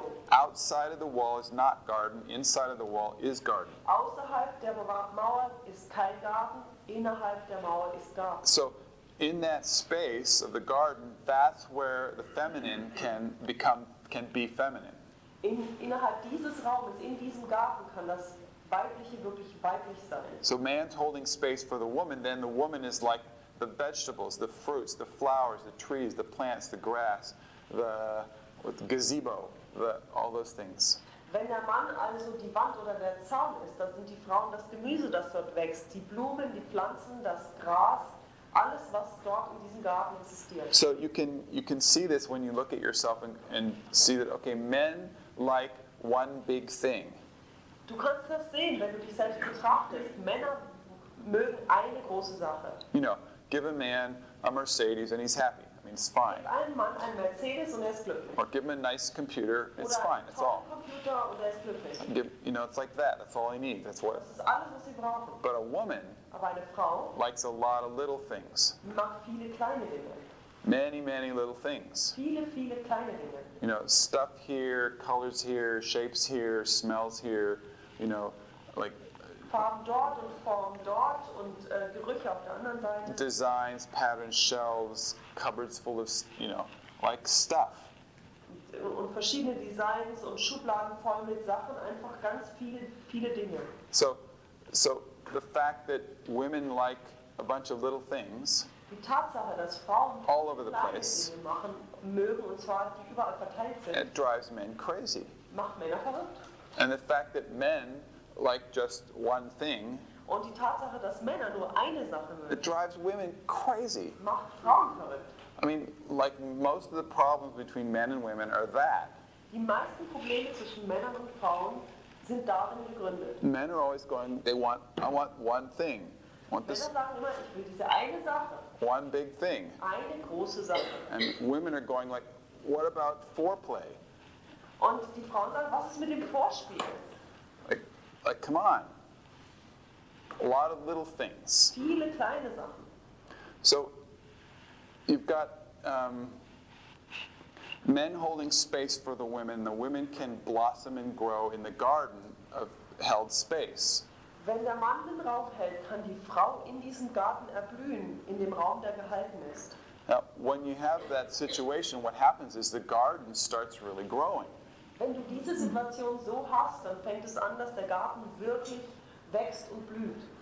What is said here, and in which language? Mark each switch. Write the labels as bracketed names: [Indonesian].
[English] Outside of the wall is not garden, inside of the wall is garden. [German] Außerhalb der Mauer ist kein Garten, innerhalb der Mauer ist Garten. [English] So in that space of the garden, that's where the feminine can be feminine. [German] Innerhalb dieses Raumes, in diesem Garten, kann das Weibliche wirklich weiblich sein. [English] So man's holding space for the woman, then the woman is like the vegetables, the fruits, the flowers, the trees, the plants, the grass, the gazebo, all those things. [German] Wenn der Mann also die Wand oder der Zaun ist, dann sind die Frauen das Gemüse, das dort wächst, die Blumen, die Pflanzen, das Gras, alles, was dort in diesem Garten existiert. [English] So you can see this when you look at yourself and see that, okay, men like one big thing. [German] Du kannst das sehen, wenn du dich selbst betrachtest. Männer mögen eine große Sache. [English] You know, give a man a Mercedes and he's happy. I mean, it's fine. Give [German] einem Mann einen Mercedes und er ist glücklich. [English] Or give him a nice computer, it's [German] oder [English] fine, that's all. [German] Computer und er ist glücklich. [English] You know, it's like that, that's all he needs, that's what. [German] Das ist alles, was sie brauchen. [English] But a woman, [German] aber eine Frau, [English] likes a lot of little things. [German] Mag viele kleine Dinge. [English] Many, many little things. [German] Viele, viele kleine Dinge. [English] You know, stuff here, colors here, shapes here, smells here. You know, like [German] Farben dort und Formen dort und Gerüche auf der anderen Seite. [English] Designs, patterns, shelves, cupboards full of, you know, like stuff. [German] Und verschiedene Designs und Schubladen voll mit Sachen, einfach ganz viele, viele Dinge. [English] So the fact that women like a bunch of little things. [German] Die Tatsache, dass Frauen [English] all over the place [German] machen, mögen, und zwar die überall verteilt sind. [English] It drives men crazy. [German] Macht Männer verrückt. [English] And the fact that men like just one thing, [German] und die Tatsache, dass Männer nur eine Sache mögen, [English] it drives women crazy. [German] Macht Frauen verrückt. [English] I mean, like most of the problems between men and women are that. [German] Die meisten Probleme zwischen Männern und Frauen sind darin begründet. [English] Men are always going, I want one thing. Want [German] Männer [English] this, [German] sagen immer, ich will diese eine Sache. [English] One big thing. [German] Eine große Sache. [English] And women are going like, what about foreplay? [German] Und die Frauen sagen, was ist mit dem Vorspiel? [English] Like, come on. A lot of little things. [German] Viele kleine Sachen. [English] So, you've got men holding space for the women. The women can blossom and grow in the garden of held space. [German] Wenn der Mann den Raum hält, kann die Frau in diesem Garten erblühen, in dem Raum, der gehalten ist. [English] Now, when you have that situation, what happens is the garden starts really growing. [German] Wenn du diese Situation so hast, dann fängt es an, dass der Garten wirklich wächst und blüht.